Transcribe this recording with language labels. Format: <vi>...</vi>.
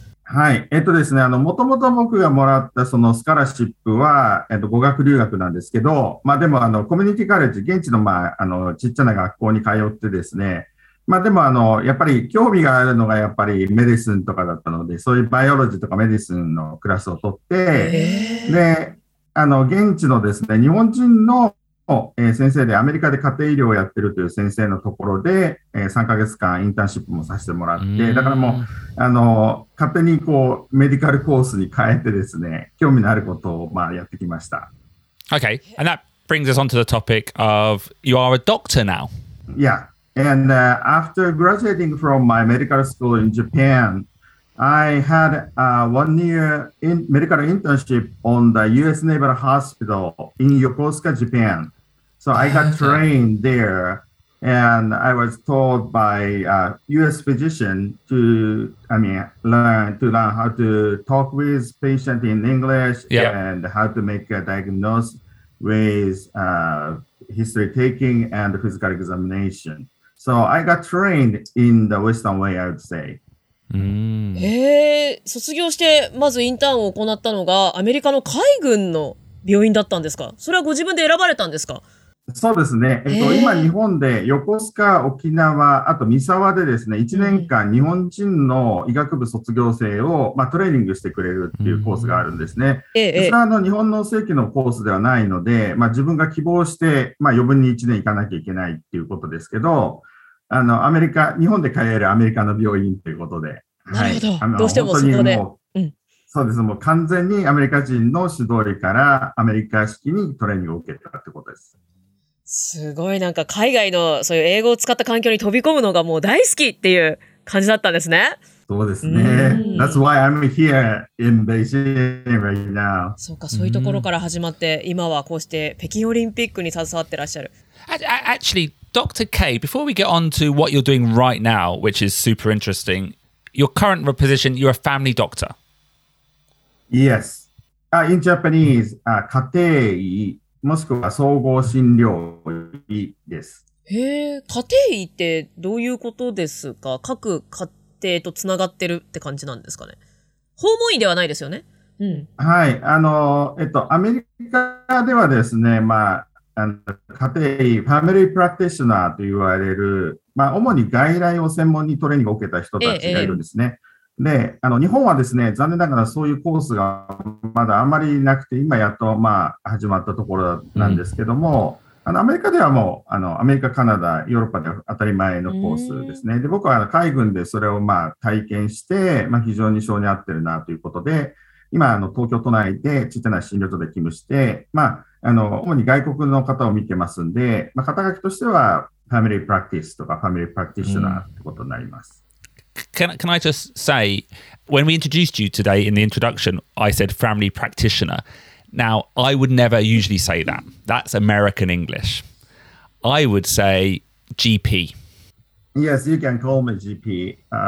<ja>はい、ですね、もともと僕がもらったそのスカラシップは、語学留学なんですけど、まあでもあのコミュニティカレッジ、現地のまああのちっちゃな学校に通ってですね、まあでもあのやっぱり興味があるのがやっぱりメディスンとかだったので、そういうバイオロジーとかメディスンのクラスを取って、で、あの現地のですね、日本人の先生でアメリカで家庭医療をやってるという先生のところで3ヶ月間インターンシップもさせてもらって、だからもうあの勝手にこうメディカルコースに変えてですね、興味のあることをまあやってきました。</ja> <en>Okay, and that brings us on to the topic of you are a doctor now. YeahAnd after graduating from my medical school in Japan, I had a 1 year medical internship on the U.S. Naval Hospital in Yokosuka, Japan. So I got trained there, and I was taught by a U.S. physician to learn how to talk with patients in English, yep. and how to make a diagnosis with history taking and physical examination. So I got trained in the Western way, I would say.</en> <ja>へえ、卒業してまずインターンを行ったのがアメリカの海軍の病院だったんですか？それはご自分で選ばれたんですか？そうですね。今日本で横須賀、沖縄、あと三沢でですね、1年間日本人の医学部卒業生を、まあ、トレーニングしてくれるっていうコースがあるんですね。それはあの日本の正規のコースではないので、まあ、自分が希望して、まあ、余分に1年行かなきゃいけないっていうことですけど、あのアメリカ、日本で通えるアメリカの病院ということで。なるほど。はい、どうしてもそこで。そうです。もう完全にアメリカ人の指導理からアメリカ式にトレーニングを受けたってことです。すごい、なんか海外のそういう英語を使った環境に飛び込むのがもう大好きっていう感じだったんですね。そうですね。</ja> <en>That's why I'm here in Beijing right now.</en> <ja>そうか、そういうところから始まって、今はこうして北京オリンピックに携わってらっしゃる。</ja> <en>Actually, Dr. K, before we get on to what you're doing right now, which is super interesting, your current position, you're a family doctor. Yes. In Japanese, 家庭医。</en> <ja>もしくは総合診療医です。家庭医ってどういうことですか？各家庭とつながってるって感じなんですかね？訪問医ではないですよね？うん、はい、アメリカではですね、まあ、あの家庭医、ファミリープラクティショナーと言われる、まあ、主に外来を専門にトレーニングを受けた人たちがいるんですね。で、あの日本はですね、残念ながらそういうコースがまだあまりなくて、今やっとまあ始まったところなんですけども、うん、アメリカではもうアメリカ、カナダ、ヨーロッパでは当たり前のコースですね。で、僕は海軍でそれをまあ体験して、まあ、非常に性に合ってるなということで、今東京都内で小さな診療所で勤務して、まあ、主に外国の方を見てますんで、まあ、肩書きとしてはファミリープラクティスとかファミリープラクティショナーってことになります。</ja> <en>Can I just say, when we introduced you today in the introduction, I said family practitioner. Now, I would never usually say that. That's American English. I would say GP. Yes, you can call me GP.</en>